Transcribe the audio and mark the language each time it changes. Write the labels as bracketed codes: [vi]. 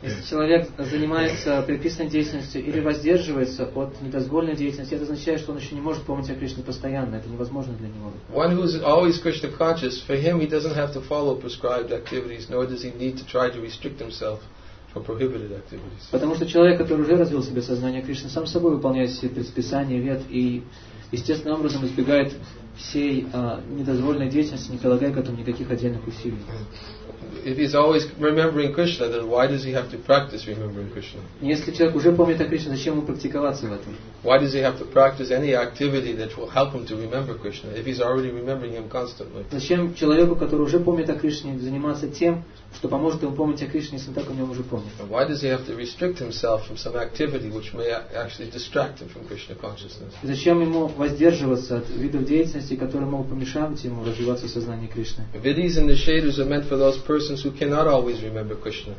[ru] Если человек занимается предписанной деятельностью или воздерживается от недозволенной деятельности, это означает, что он еще не может помнить о Кришне постоянно. Это невозможно для него. [en] One who is always Krishna conscious, for him he doesn't have to follow prescribed activities, nor does he need to try to restrict himself from prohibited activities. [ru] Потому что человек, который уже развил в себе сознание Кришны, сам собой выполняет все предписания, вет и естественным образом избегает всей недозволенной деятельности, не прилагая к этому никаких отдельных усилий. [en] If he's always remembering Krishna, then why does he have to practice remembering Krishna? [ru] Если человек уже помнит о Кришне, зачем ему практиковаться в этом? [en] Why does he have to practice any activity that will help him to remember Krishna if he's already remembering him constantly? [ru] Зачем человеку, который уже помнит о Кришне, заниматься тем, что поможет ему помнить о Кришне, если он так о нем уже помнит? [en] And why does he have to restrict himself from some activity which may actually distract him from Krishna consciousness? [ru] Зачем ему воздерживаться от видов деятельности, которые могут помешать ему развиваться в сознании Кришны? [en] Vidhis and nishedhas are meant for those persons who cannot always remember Krishna